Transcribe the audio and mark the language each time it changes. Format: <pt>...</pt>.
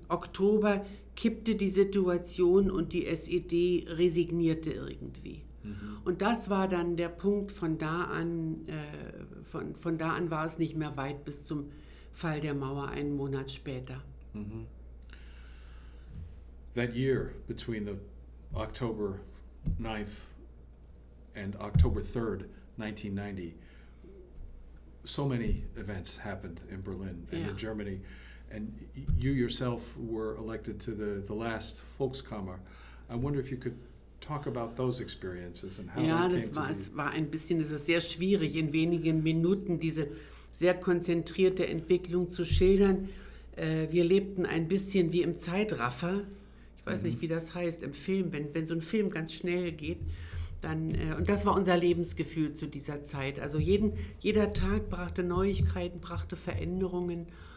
<de>Oktober kippte die Situation und die SED resignierte irgendwie. Und das war dann der Punkt, von da an war es nicht mehr weit bis zum Fall der Mauer einen Monat später.</de> <en>That year between the October 9th and October 3rd, 1990, so many events happened in Berlin and in Germany. And you yourself were elected to the last Volkskammer. I wonder if you could talk about those experiences and how it came to be.</en> <de>Ja, es war ein bisschen, es ist sehr schwierig, in wenigen Minuten diese sehr konzentrierte Entwicklung zu schildern. Wir lebten ein bisschen wie im Zeitraffer. Ich weiß nicht, wie das heißt im Film, wenn so ein Film ganz schnell geht. Und das war unser Lebensgefühl zu dieser Zeit. Also jeder Tag brachte Neuigkeiten, brachte Veränderungen.</de>